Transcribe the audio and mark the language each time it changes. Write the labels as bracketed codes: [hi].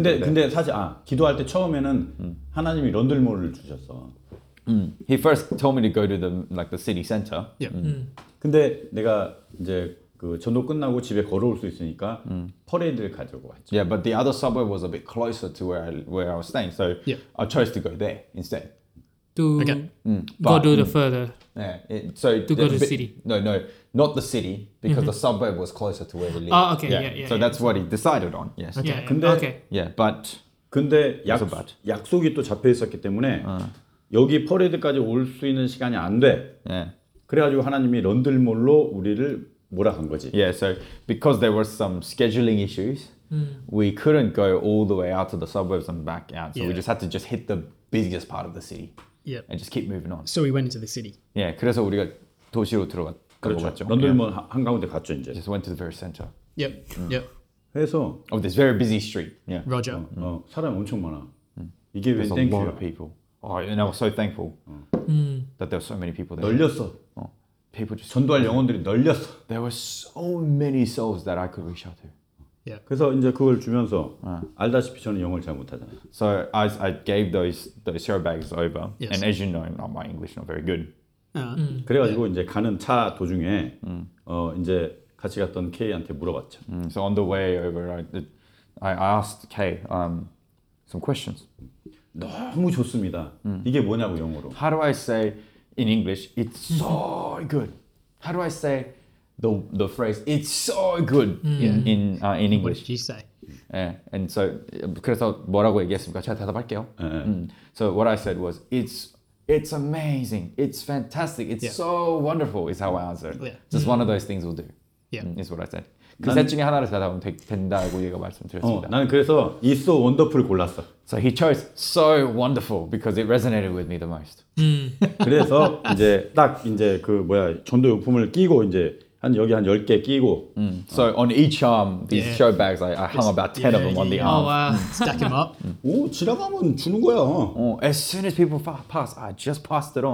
[ko] 근데 근데 사실 아, 기도할 때 처음에는 하나님이 런들몰을 주셨어. [en] He first told me to go to the like the city center. Yeah. [ko] 근데 내가 이제 그 전도 끝나고 집에 걸어올 수 있으니까 퍼레이드를 가지고 왔죠. [en] Yeah, but the other suburb was a bit closer to where I was staying. So yeah. I chose to go there instead. To okay. But, go to the further. Yeah. So to go to the city. No, no. Not the city, because the suburb was closer to where we live. Oh, okay, yeah, yeah. yeah so yeah, that's what he decided on, yes. Okay, yeah, 근데, okay. Yeah, but... [ko] 근데 약, but. 약속이 또 잡혀 있었기 때문에 여기 퍼레이드까지 올 수 있는 시간이 안 돼. [en] Yeah. [ko] 그래가지고 하나님이 런들몰로 우리를 몰아간 거지. [en] Yeah, so because there were some scheduling issues, we couldn't go all the way out to the suburbs and back out. So yeah. we just had to just hit the busiest part of the city yep. and just keep moving on. So we went into the city. [ko] Yeah, 그래서 우리가 도시로 들어갔 그렇죠. 런들몬 yeah. 한가운데 갔죠 이제. [en] Just went to the very center. Yep. Yep. [ko] 해서 [en] of this very busy street. Yeah. Roger. [ko] 어, 어 사람 엄청 많아. 이게 왜 땡큐. [en] There's a lot of people. Oh, and I was so thankful that there were so many people there. [ko] 널렸어. [en] 어, people just [ko] 전도할 영혼들이 널렸어. [en] There were so many souls that I could reach out to. Yeah. [ko] 그래서 이제 그걸 주면서 알다시피 저는 영어를 잘 못하잖아요. [en] So I gave those share bags over. Yes. And as you know, not my English not very good. [ko] 그래가지고 yeah. 이제 가는 차 도중에 어 이제 같이 갔던 K한테 물어봤죠. [en] So on the way over, I asked K some questions. [ko] 너무 좋습니다. 이게 뭐냐고 영어로. [en] How do I say in English? It's so good. How do I say the phrase? It's so good in English. What did you say? Yeah. [ko] And so 그래서 뭐라고 얘기했습니까? 제가 대답할게요. [en] So what I said was It's amazing. It's fantastic. It's yeah. so wonderful. Is how I answered. Yeah. Just one of those things will do. Yeah. Is what I said. [ko] 그 셋 중에 하나를 대답하면 된다고 얘가 말씀드렸습니다. 어, 나는 그래서 [en] It's so wonderful [ko] 골랐어. [en] So he chose so wonderful because it resonated with me the most. [ko] 그래서 이제 딱 이제 그 뭐야 전도 용품을 끼고 이제 한 여기 한 10개 끼고. [en] So on each arm, these yeah. show bags, I hung about 10 yeah, of them on the arm. Oh, wow. Stack them up. [ko] 오, 지나가면 주는 거야. [en] As soon as people pass, I just passed it on.